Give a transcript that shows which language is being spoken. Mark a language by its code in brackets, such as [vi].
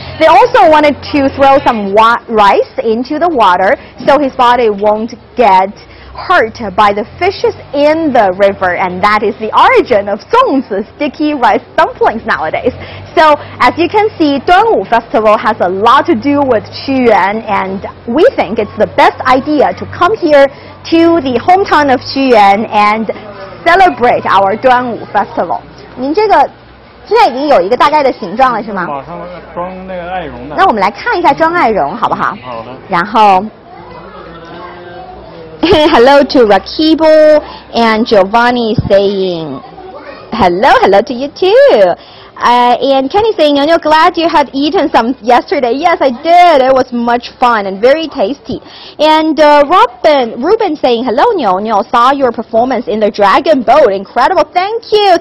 [en] They also wanted to throw some rice into the water so his body won't get hurt by the fishes in the river, and that is the origin of Zongzi, sticky rice dumplings nowadays. So, as you can see, Duanwu Festival has a lot to do with Qu Yuan, and we think it's the best idea to come here. To the hometown of Qu Yuan and celebrate our Duanwu Festival. [zh] 您这个现在已经有一个大概的形状了，是吗？马上装那个艾绒的。那我们来看一下装艾绒，好不好？好的。然后 [en] ，Hello to Rakibo and Giovanni saying hello, hello to you too. And Kenny's saying, Niuniu, glad you have eaten some yesterday. Yes, I did. It was much fun and very tasty. And Ruben saying, hello, Niuniu, saw your performance in the Dragon Boat. Incredible. Thank you.